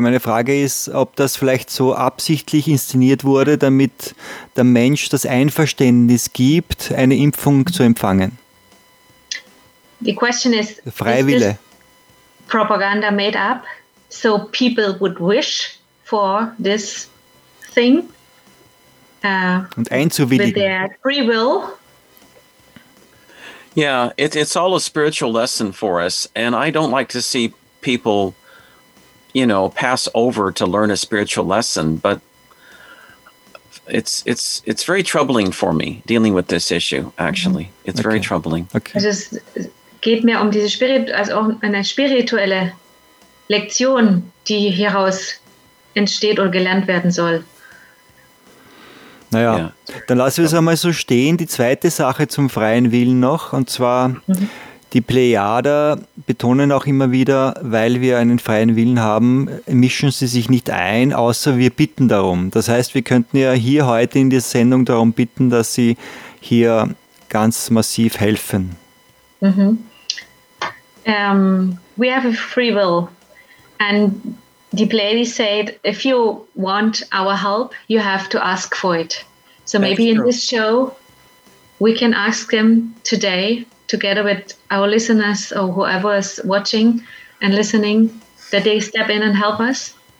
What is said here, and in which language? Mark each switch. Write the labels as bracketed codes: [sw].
[de] Meine Frage ist, ob das vielleicht so absichtlich inszeniert wurde, damit der Mensch das Einverständnis gibt, eine Impfung zu empfangen. [en] The question is, [de] Freiwille. [en] Is propaganda made up so people would wish for this thing? [de] Und einzuwilligen. [en] With their free will. Yeah, it's all a spiritual lesson for us, and I don't like to see people, you know, pass over to learn a spiritual lesson, but it's very troubling for me dealing with this issue, actually. It's okay. Very troubling. Okay. [de] Also es geht mir um diese eine spirituelle Lektion, die hieraus entsteht oder gelernt werden soll. Naja, dann lassen wir es einmal so stehen. Die zweite Sache zum freien Willen noch, und zwar die Plejader betonen auch immer wieder, weil wir einen freien Willen haben, mischen sie sich nicht ein, außer wir bitten darum. Das heißt, wir könnten ja hier heute in der Sendung darum bitten, dass sie hier ganz massiv helfen. Mm-hmm. [en] We have a free will, and the Pleiades said, if you want our help, you have to ask for it. So maybe in this show, we can ask them today, together with our listeners or whoever is watching and listening, that they step in and help us.